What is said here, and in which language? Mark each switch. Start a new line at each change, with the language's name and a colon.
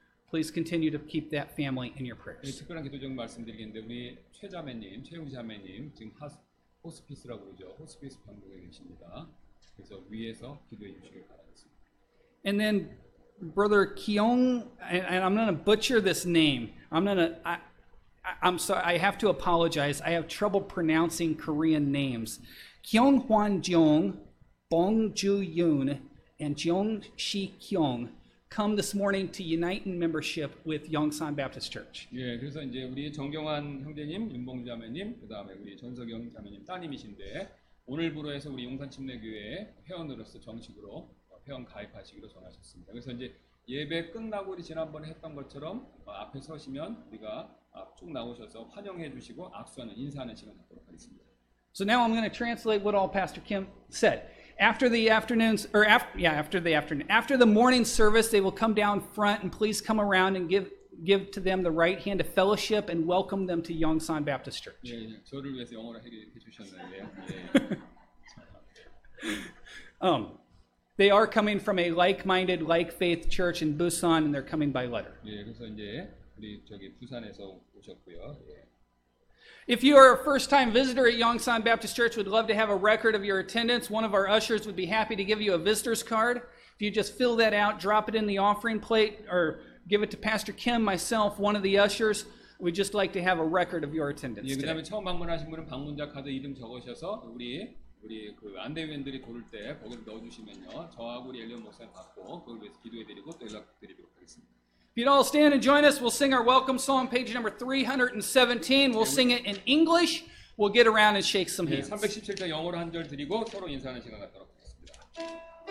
English: Please continue to keep that family in your prayers.
Korean: 네, 특별한 기도 좀 말씀드리겠는데 우리 최 자매님, 최웅 자매님 지금 호스피스라고 그러죠. 호스피스 병동에 계십니다. 그래서 위에서 기도해 주시길 바라겠습니다.
English: And then Brother Kyung, and I'm going to butcher this name. I'm sorry, I have to apologize. I have trouble pronouncing Korean names. Kyung Hwan Jung, Bong Ju Yoon, and Jung Shi Kyung come this morning to unite in membership with Yongsan Baptist Church.
Korean: 예, 그래서 이제 우리 정경환 형제님, 윤봉 자매님, 그 다음에 우리 전석영 자매님 따님이신데 오늘부로 해서 우리 용산 침례교회 회원으로서 정식으로 회원 가입하시기로 전하셨습니다. 그래서 이제 예배 끝나고 우리 지난번에 했던 것처럼 앞에 서시면 우리가 쭉 나오셔서 환영해 주시고 악수하는 인사하는 시간 갖도록 하겠습니다.
English: So now I'm going to translate what all Pastor Kim said. After the morning service, they will come down front and please come around and give to them the right hand of fellowship and welcome them to Yongsan Baptist Church.
Korean: 예, 예, 저를 위해서 영어로 해 주셨는데요. 예.
English: They are coming from a like-minded, like-faith church in Busan, and they're coming by letter.
Korean: 예, 그래서 이제 우리 저기 부산에서 오셨고요. 예.
English: If you are a first-time visitor at Yongsan Baptist Church, we'd love to have a record of your attendance. One of our ushers would be happy to give you a visitor's card. If you just fill that out, drop it in the offering plate, or give it to Pastor Kim, myself, one of the ushers, we'd just like to have a record of your attendance.
Korean: 예, 그다음에 처음 방문하신 분은 방문자 카드 이름 적으셔서 우리 그 안내위원들이 돌 때 거기 넣어주시면요, 저하고 우리 엘리언 목사님 받고 거기 위해서 기도해드리고 또 연락드리도록 하겠습니다.
English: If you'd all stand and join us, we'll sing our welcome song, page number 317. We'll sing it in English. We'll get around and shake some hands.
Korean: 317장 영어로 한 절 드리고 서로 인사하는 시간 갖도록 하겠습니다.